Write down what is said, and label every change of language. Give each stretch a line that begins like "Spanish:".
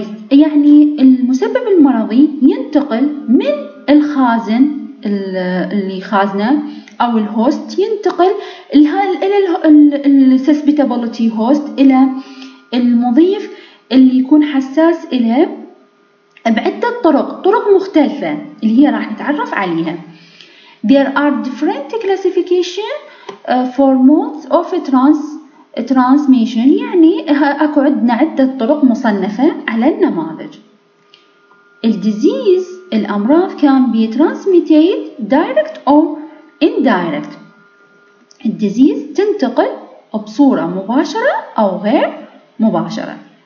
Arabic: يعني المسبب المرضي ينتقل من الخازن اللي خازنه او الهوست ينتقل الى السسبتابلتي هوست الى المضيف اللي يكون حساس اليه بعدة طرق مختلفة اللي هي راح نتعرف عليها.
English: There are different classification for modes of transmission.
Arabic: يعني اكو عندنا عدة طرق مصنفة على النماذج.
English: Disease الامراض can be transmitted direct or indirect.
Arabic: Disease تنتقل بصورة مباشرة او غير مباشرة.